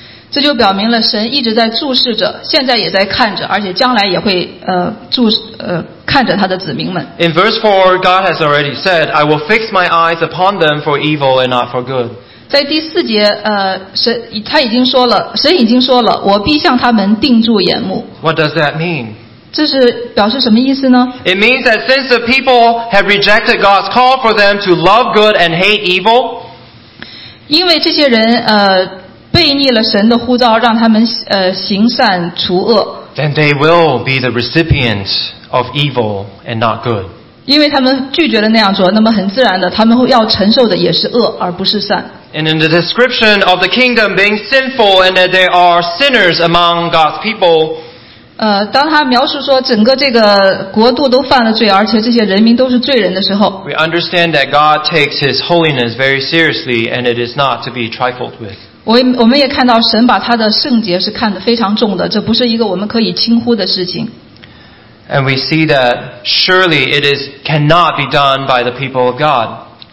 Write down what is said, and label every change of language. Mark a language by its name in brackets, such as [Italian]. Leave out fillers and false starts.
[Chinese] 这就表明了神一直在注视着，现在也在看着，而且将来也会看着他的子民们。 [English] In verse 4, God has already said, I will fix my eyes upon them for evil and not for good. [Chinese] 在第四节，神已经说了，我必向他们定住眼目。 [English] What does that mean? [Chinese] 这是表示什么意思呢？ [English] It means that since the people have rejected God's call for them to love good and hate evil, [Chinese] 因为这些人背逆了神的呼召，让他们行善除恶。 [English] Then they will be the recipient of evil and not good. [Chinese] 因为他们拒绝了那样做，那么很自然的，他们要承受的也是恶，而不是善。 [English] And in the description of the kingdom being sinful and that there are sinners among God's people, [Chinese] 当他描述说整个这个国度都犯了罪，而且这些人民都是罪人的时候， [English] we understand that God takes His holiness very seriously and it is not to be trifled with. [Chinese] 我们也看到神把他的圣洁是看得非常重的，这不是一个我们可以轻忽的事情。 [English] And we see that surely it is cannot be done by the people of God.